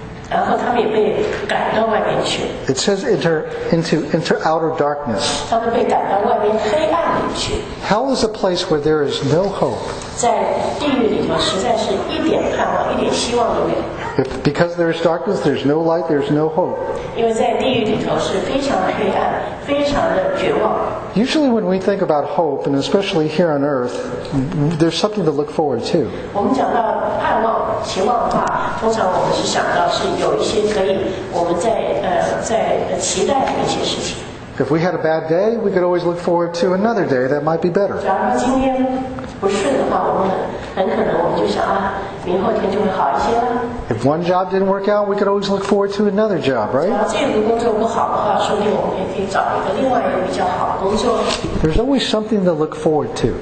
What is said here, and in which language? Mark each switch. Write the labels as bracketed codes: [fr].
[zh] 然后他们也被赶到外面去。 [en] It says into outer darkness. [zh] 他们被赶到外面黑暗里去。 [en] Hell is a place where there is no hope. [zh] 在地狱里头实在是一点盼望，一点希望都没有。 [en] If, because there is darkness, there's no light, there's no hope. [zh] 因为在地狱里头是非常黑暗，非常的绝望。 [en] Usually when we think about hope, and especially here on earth, there's something to look forward to. [zh] 我们讲到盼望、期望的话，通常我们是想到是有一些可以我们在期待的一些事情。 [en] If we had a bad day, we could always look forward to another day that might be better. [zh] 假如今天不顺的话，我们很可能我们就想啊，明后天就会好一些了。 [en] If one job didn't work out, we could always look forward to another job, right? [zh] 假如这个工作不好的话，说不定我们也可以找一个另外一个比较好的工作。 [en] There's always something to look forward to.